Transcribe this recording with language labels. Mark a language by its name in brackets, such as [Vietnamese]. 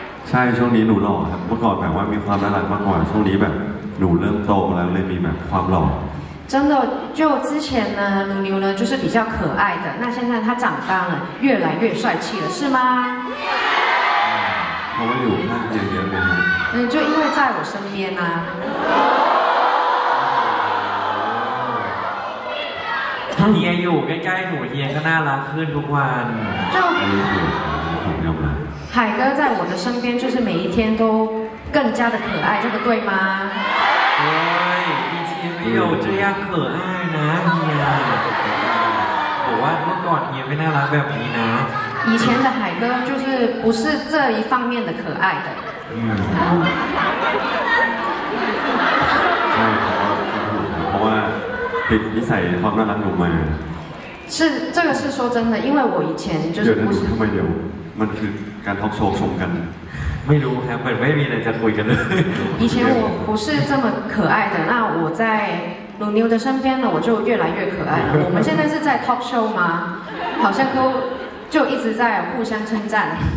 [Thai] ใช่ช่วงนี้หนูหล่อครับเมื่อก่อนแบบว่ามีความน่ารักมากกว่าช่วงนี้แบบหนูเริ่มโตแล้วเลยมีแบบความหล่อ [Chinese] 真的就之前呢หนู牛呢就是比较可爱的那现在她长大了越来越帅气了是吗 [Thai] เพราะว่าอยู่ข้างเยอะๆเลย [Chinese] 就因为在我身边呐 [Thai] เฮียอยู่ใกล้ๆหนูเฮียก็น่ารักขึ้นทุกวัน [Chinese] 就 [Thai] ผมยอมรับ [Chinese] 海哥在我的身边就是每一天都更加的可爱，这个对吗？对，以前没有这样可爱呢，你啊，我啊，我感觉没那么可爱呢。以前的海哥就是不是这一方面的可爱的。是，这个是说真的，因为我以前就是不是。没有， [Thai] มันคือการทอล์กโชว์ชมกัน ไม่รู้ครับมันไม่มีอะไรจะคุยกันเลย [Chinese] 以前我不是这么可爱的，那我在鲁妞的身边呢，我就越来越可爱了。我们现在是在 talk show 吗？好像都就一直在互相称赞。